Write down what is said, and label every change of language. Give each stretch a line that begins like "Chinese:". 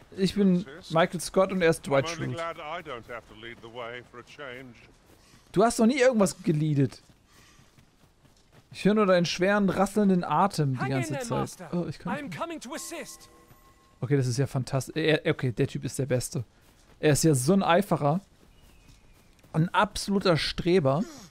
German: ich bin Michael Scott und er ist Dwight Schrute.
English: I'm only glad I don't have to lead the way for a change.
German: Du hast noch nie irgendwas geleadet. Ich höre nur deinen schweren, rasselnden Atem die ganze Zeit. Oh, ich kann nicht. Okay, das ist ja fantastisch. Okay, der Typ ist der Beste. Er ist ja so ein Eiferer. Ein absoluter Streber.